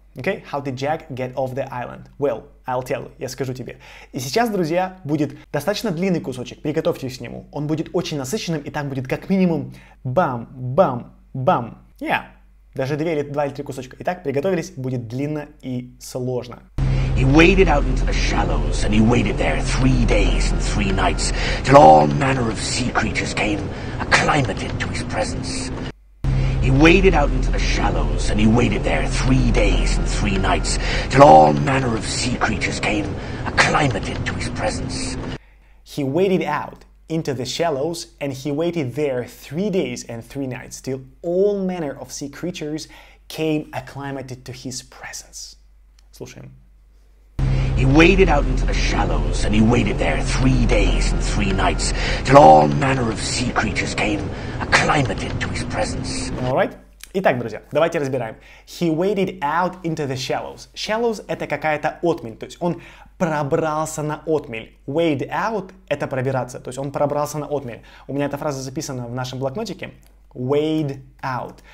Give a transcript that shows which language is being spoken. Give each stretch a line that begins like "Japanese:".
Russian: Окей,
English: how did Jack get off the island? Well, I'll tell,
Russian: я скажу тебе. И сейчас, друзья, будет достаточно длинный кусочек, приготовьтесь к нему. Он будет очень насыщенным, и там будет как минимум бам-бам-бам. Yeah, даже две или два или три кусочка. Итак, приготовились, будет длинно и сложно.
English: He waded out into the shallows, and he waited there 3 days and 3 nights, till all manner of sea creatures came acclimated to his presence. He waded out into the shallows, and he waited there 3 days and 3 nights, till all manner of sea creatures came acclimated to his presence. He waded out into the shallows, and he waited there 3 days and 3 nights, till all manner of sea creatures came acclimated to his presence.
Russian: Слушаем.
English: He waded out into the shallows, and he waited there 3 days and 3 nights, till all manner of sea creatures came acclimated to his presence. Alright.
Russian: Итак, друзья, давайте разбираем.
English: He waded out into the shallows.
Russian: Shallows — это какая-то отмель, то есть он пробрался на отмель. Wade out — это пробираться, то есть он пробрался на отмель. У меня эта фраза записана в нашем блокнотике.
English: Wade out.